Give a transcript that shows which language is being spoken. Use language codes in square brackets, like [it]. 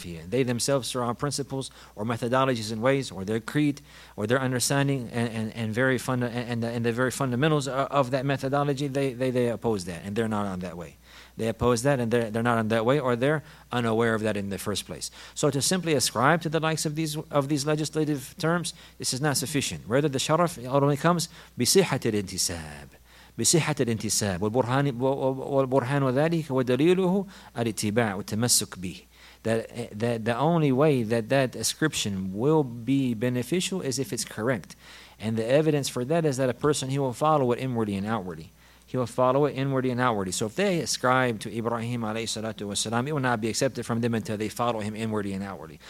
[en] They themselves are on principles or methodologies and ways, or their creed, or their understanding, and the very fundamentals of that methodology, they oppose that, and they're not on that way. They oppose that, and they're not in that way, or they're unaware of that in the first place. So to simply ascribe to the likes of these legislative terms, this is not sufficient. Rather, the sharaf only comes [ar] بصحة الانتساب. بصحة الانتساب والبرهان وذلك ودليله الاتباع والتمسك به. [en] That the only way that ascription will be beneficial is if it's correct. And the evidence for that is that a person, he will follow it inwardly and outwardly. So if they ascribe to Ibrahim alayhi salatu wasalam, it will not be accepted from them until they follow him inwardly and outwardly.